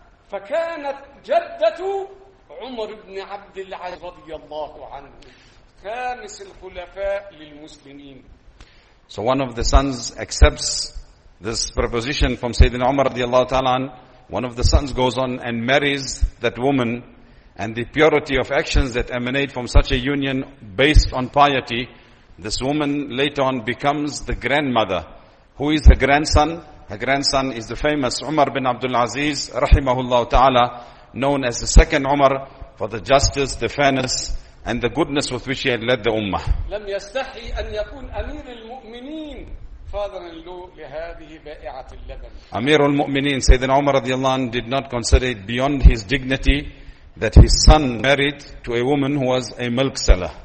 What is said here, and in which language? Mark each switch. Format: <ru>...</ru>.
<ar>فكانت جدة عمر بن عبد العزيز رضي الله عنه خامس الخلفاء للمسلمين.</ar> <en>So one of the sons accepts this proposition from Sayyidina Umar</en> <ar>رضي الله تعالى عنه.</ar> <en>One of the sons goes on and marries that woman, and the purity of actions that emanate from such a union based on piety, this woman later on becomes the grandmother. Who is her grandson? Her grandson is the famous Umar bin Abdul Aziz, rahimahullah ta'ala, known as the second Umar for the justice, the fairness, and the goodness with which he had led the Ummah.</en> <ar>لم يستحي أن يكون أمير المؤمنين فاضلاً لهذه بائعة اللبن.</ar> <en>أمير المؤمنين, Sayyidina Umar radiallahu anhu, did not consider it beyond his dignity that his son married to a woman who was a milk seller.</en>